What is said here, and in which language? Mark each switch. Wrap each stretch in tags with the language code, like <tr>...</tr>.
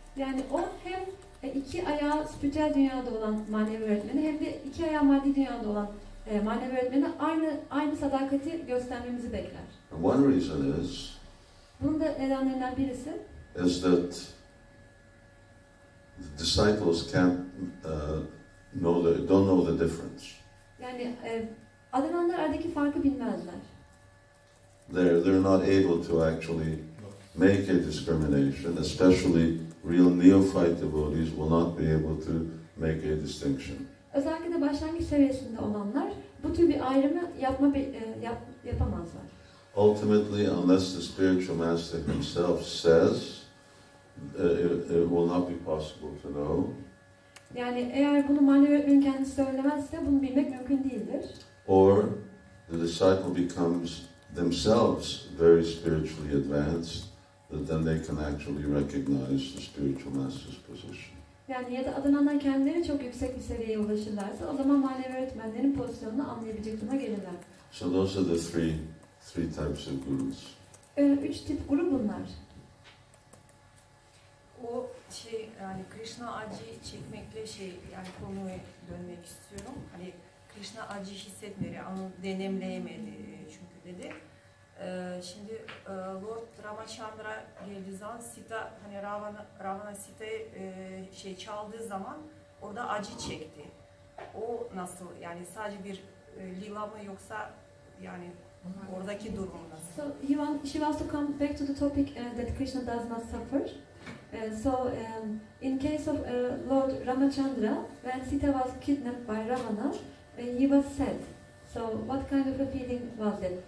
<tr>Yani o hem iki ayağı spiritüel dünyada olan manevi öğretmeni hem de iki ayağı maddi dünyada olan manevi öğretmeni aynı sadakati göstermemizi bekler.</tr> <en>And one reason is,</en> <tr>bunun da nedenlerinden birisi,</tr> <en>is that the disciples can't don't know the difference.</en> <tr>Yani adananlar aradaki farkı bilmezler.</tr> <en>They're not able to actually make a discrimination. Especially real neophyte devotees will not be able to make a distinction.</en> <tr>Özellikle de başlangıç seviyesinde olanlar bu tür bir ayrımı yapamazlar.</tr> <en>Ultimately, unless the spiritual master himself says, it will not be possible to know.</en> <tr>Yani eğer bunu manevi öğretmenin kendisi söylemezse bunu bilmek mümkün değildir.</tr> <en>Or the disciple becomes themselves very spiritually advanced, that then they can actually recognize the spiritual master's position.</en> <tr>Yani ya da adananlar kendileri çok yüksek bir seviyeye ulaşırlarsa o zaman manevi öğretmenlerin pozisyonunu anlayabilecek duruma gelirler.</tr> <en>So those are the three types of gurus.</en> <tr>Üç tip guru bunlar. O şey, yani Krishna acı çekmekle yani konuya dönmek istiyorum. Hani Krishna acı hissetmedi, onu denemleyemedi çünkü dedi. Şimdi Lord Ramachandra geldiği zaman Sita, hani Ravana Sita'yı çaldığı zaman orada acı çekti. O nasıl, yani sadece bir lila mı yoksa yani oradaki durum nasıl?</tr> <en>So she wants to come back to the topic that Krishna does not suffer. So, in case of Lord Ramachandra, when Sita was kidnapped by Ravana, he was sad. So, what kind of a feeling was it?</en>